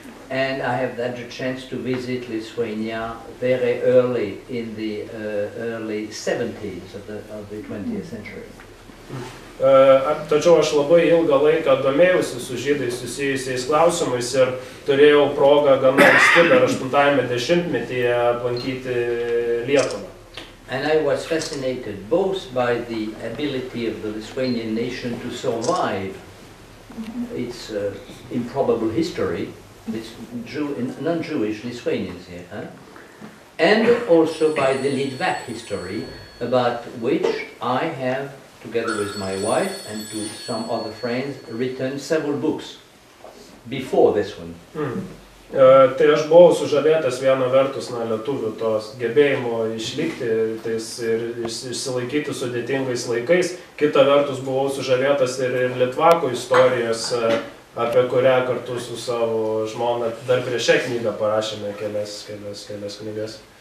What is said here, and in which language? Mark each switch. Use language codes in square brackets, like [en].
[en] And I have had a chance to visit Lithuania very early in the early 70s of the 20th century. [lt] Tačiau aš labai ilgą laiką domėjausi su žydais susijusiais klausimais ir turėjau progą gana anksti dar 8-ame dešimtmetyje aplankyti Lietuvą. [en] And I was fascinated both by the ability of the Lithuanian nation to survive its improbable history, this non-Jewish Lithuanians here, huh? And also by the Litvak history, about which I have, together with my wife and to some other friends, written several books before this one. Mm. [lt] Tai aš buvau sužavėtas vieno vertus na, lietuvių tos gebėjimo išlikti ir išsilaikyti sudėtingais laikais. Kita vertus buvau sužavėtas ir Litvako istorijos, apie kurią kartu su savo žmona dar prieš šią knygą parašėme kelias knygas.